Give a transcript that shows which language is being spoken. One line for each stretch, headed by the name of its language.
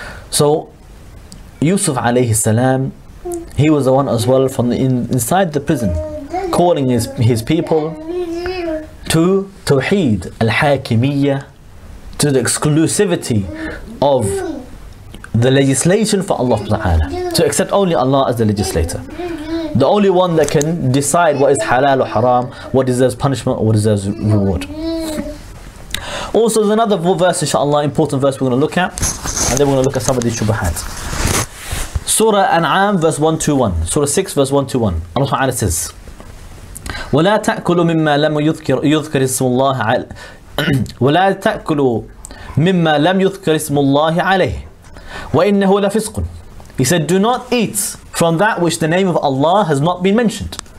English: So, Yusuf alayhi salam, he was the one as well from inside the prison, calling his people to Tawheed al-Hakimiyyah, to the exclusivity of the legislation for Allah Ta'ala, to accept only Allah as the legislator, the only one that can decide what is halal or haram, what deserves punishment or what deserves reward. Also, there's another verse, inshallah, important verse we're going to look at, and then we're going to look at some of these shubahat. Surah An'am verse 121, Surah 6 verse 121, Allah Ta'ala says,
Arabic: وَلَا تَأْكُلُ مِمَّا لَمْ يُذْكَرِ اسْمُ اللَّهِ عَلَيْهِ وَلَا تَأْكُلُ مِمَّا لَمْ يُذْكَرِ اسْمُ اللَّهِ عَلَيْهِ وَإِنَّهُ لَفِسْقٌ.
English: He said, do not eat from that which the name of Allah has not been mentioned.